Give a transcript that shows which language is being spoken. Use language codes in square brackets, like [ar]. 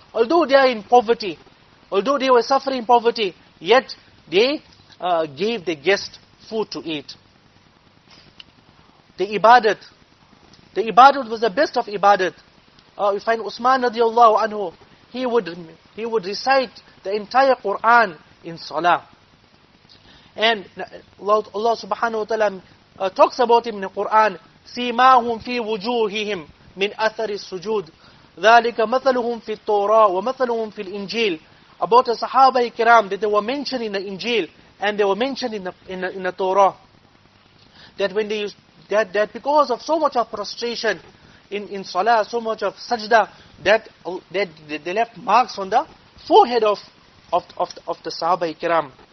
[en] Although they are in poverty, although they were suffering poverty, yet they gave the guest food to eat. The ibadat was the best of ibadat. We find Usman radiallahu anhu, he would recite the entire Quran in Salah. And Allah subhanahu wa ta'ala talks about him in the Quran, [ar] سِيمَاهُمْ فِي وُجُوهِهِمْ مِنْ أَثَرِ السُّجُودِ ذَلِكَ مَثَلُهُمْ فِي التَّوْرَاةِ وَمَثَلُهُمْ فِي الْإِنْجِيلِ. [en] About the Sahaba Ikram, that they were mentioned in the Injil and they were mentioned in the Torah. That when they used, that because of so much of prostration in Salah, so much of Sajda, that they left marks on the forehead of the Sahaba Ikram.